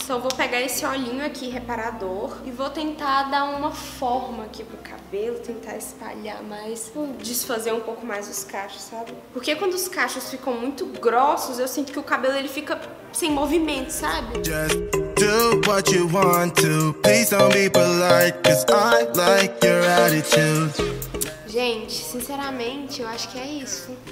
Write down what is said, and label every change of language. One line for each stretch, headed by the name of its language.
Portuguese: Então eu vou pegar esse olhinho aqui, reparador, e vou tentar dar uma forma aqui pro cabelo, tentar espalhar mais, desfazer um pouco mais os cachos, sabe? Porque quando os cachos ficam muito grossos, eu sinto que o cabelo, ele fica sem movimento, sabe?
English: Just do what you want to. Please don't be polite, 'cause I like your attitude.
Portuguese: Gente, sinceramente, eu acho que é isso.